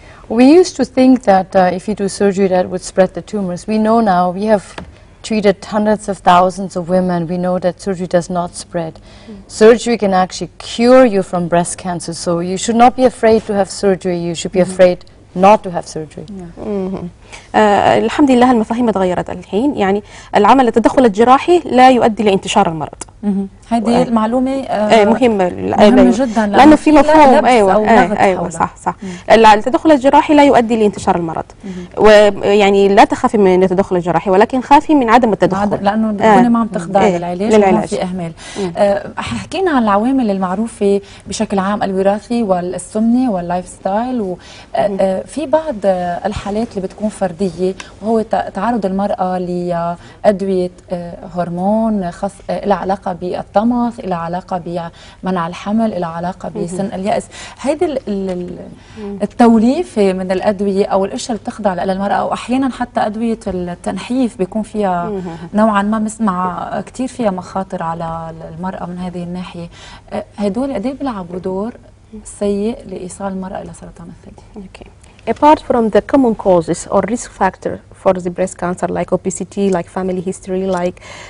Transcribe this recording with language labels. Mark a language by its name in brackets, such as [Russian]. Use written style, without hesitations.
[English] We used to think that if you do surgery that would spread the tumors. We know now, we have treated hundreds of thousands of women, we know that surgery does not spread. Surgery can actually cure you from breast cancer, so you should not be afraid to have surgery, you should be afraid not to have surgery. [Arabic] الحمد لله المفاهيم تغيرت الحين يعني العمل التدخل الجراحي لا يؤدي لانتشار المرض. هذه المعلومة مهمة جدا لأنه في مفهوم أيوة صح التدخل الجراحي لا يؤدي لانتشار المرض ويعني لا تخافي من التدخل الجراحي ولكن خافي من عدم التدخل لأنه ما عم تخضع للعلاج ما في إهمال حكينا عن العوامل المعروفة بشكل عام الوراثي والسمنة واللايف ستايل وفي بعض الحالات اللي بتكون فردية وهو تعرض المرأة لأدوية هرمون خاص العلاقة بالطبع الطمث، إلى علاقة بمنع الحمل، إلى علاقة بسن اليأس. هذه التوليفة من الأدوية أو الأشياء اللي بتخضع للمرأة، وأحيانا حتى أدوية التنحيف بيكون فيها نوعا ما بسمع كتير فيها مخاطر على المرأة من هذه الناحية، هدول قد ايه بيلعبوا دور سيء لإيصال المرأة إلى سرطان الثدي؟ [English] Apart from the common causes or risk factor for the breast cancer, like obesity, like family history, like